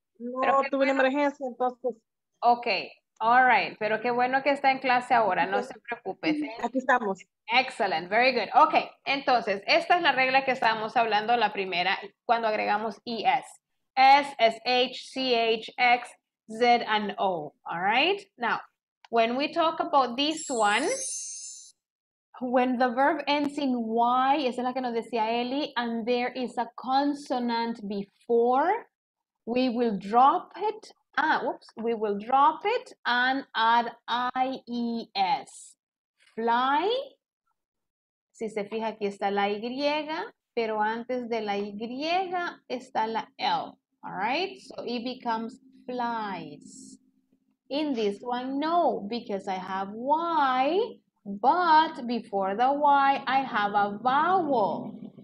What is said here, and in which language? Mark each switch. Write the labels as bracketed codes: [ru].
[es] No, tuve una emergencia, entonces. [en] Ok, all right. [es] Pero qué bueno que está en clase ahora, no se preocupe. Aquí estamos. [en] Excellent, very good. [es] Ok, entonces, esta es la regla que estábamos hablando, la primera, cuando agregamos ES. [en] S, SH, CH, X, Z, and O. All right? Now, when we talk about this one, when the verb ends in Y, [es] esa es la que nos decía Eli, [en] and there is a consonant before, we will drop it, we will drop it and add IES. [es] Fly, si se fija aquí está la Y, pero antes de la Y está la L. [en] All right, so it becomes flies. In this one, no, because I have Y, but before the Y, I have a vowel.